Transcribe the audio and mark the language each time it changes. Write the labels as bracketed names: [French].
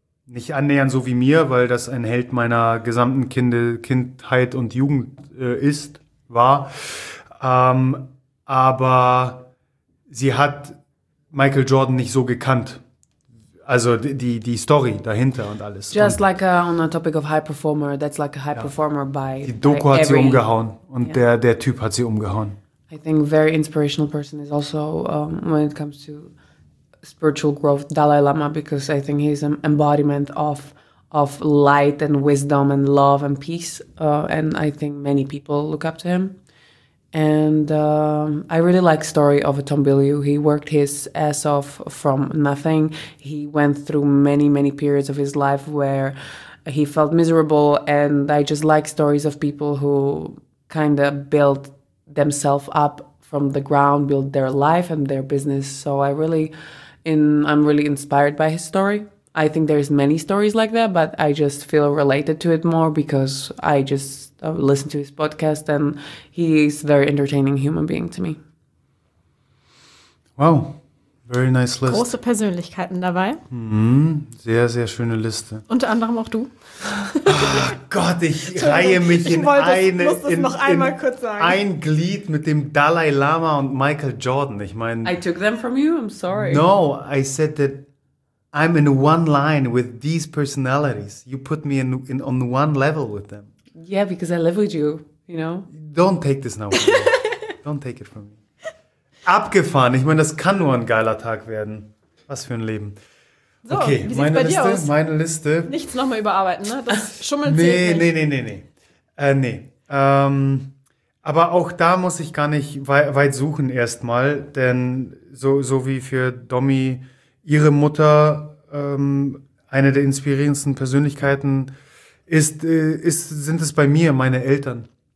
[German] Nicht annähernd so wie mir, weil das ein Held meiner gesamten Kindheit und Jugend war. Aber... Sie hat Michael Jordan nicht so gekannt. Also die Story dahinter und alles. [English] Just like on the topic of high performer, that's like a high performer by [German] die Doku hat sie umgehauen und der Typ hat sie umgehauen. [English] I think very inspirational person is also when it comes to spiritual growth, Dalai Lama, because I think he's an embodiment of light and wisdom and love and peace. And I think many people look up to him. And I really like story of Tom Bilyeu. He worked his ass off from nothing. He went through many, many periods of his life where he felt miserable. And I just like stories of people who kind of built themselves up from the ground, built their life and their business. So I'm really inspired by his story. I think there's many stories like that, but I just feel related to it more because I just listen to his podcast and he is a very entertaining human being to me. Wow, very nice list. [German] Große Persönlichkeiten dabei. Sehr, sehr schöne Liste. Unter anderem auch du. Oh Gott, ich reihe mich ein Glied mit dem Dalai Lama und Michael Jordan. Ich meine, [English] I took them from you, I'm sorry. No, I said that I'm in one line with these personalities. You put me in on one level with them. Yeah, because I live with you, you know? Don't take this now from me. Don't take it from me. [German] Abgefahren. Ich meine, das kann nur ein geiler Tag werden. Was für ein Leben. So, okay, wie sieht's meine bei Liste, dir aus? Meine Liste. Nichts nochmal überarbeiten, ne? Das schummelt nee, sich. Nee. Nee. Aber auch da muss ich gar nicht weit suchen erstmal, denn so wie für Domi ihre Mutter eine der inspirierendsten Persönlichkeiten ist, sind es bei mir meine Eltern